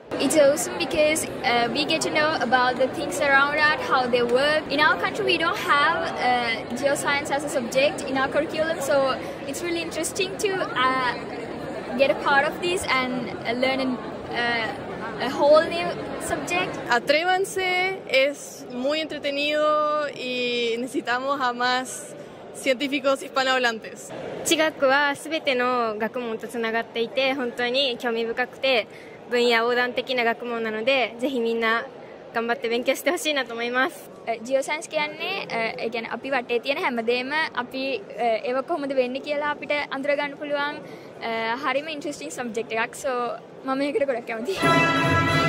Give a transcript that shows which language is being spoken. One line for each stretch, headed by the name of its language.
English: It's awesome because we get to know about the things around us, how they work. In our country, we don't have geoscience as a subject in our curriculum, so it's really interesting to get a part of this and learn a whole new subject.
Spanish: Atrévanse, es muy entretenido y necesitamos a más científicos hispanohablantes.
Japanese: 地学は全ての学問とつながっていて本当に興味深くて 分野横断的な学問なので、ぜひみんな頑張って勉強してほしいなと思います。
Sinhala: geoscience කියන්නේ ඒ කියන්නේ අපි වටේ තියෙන හැමදේම අපි ඒව කොහොමද වෙන්නේ කියලා අපිට අඳුර ගන්න පුළුවන් හරිම
English: interesting subject
Sinhala: එකක්. So මම ඒකට ගොඩක් කැමතියි.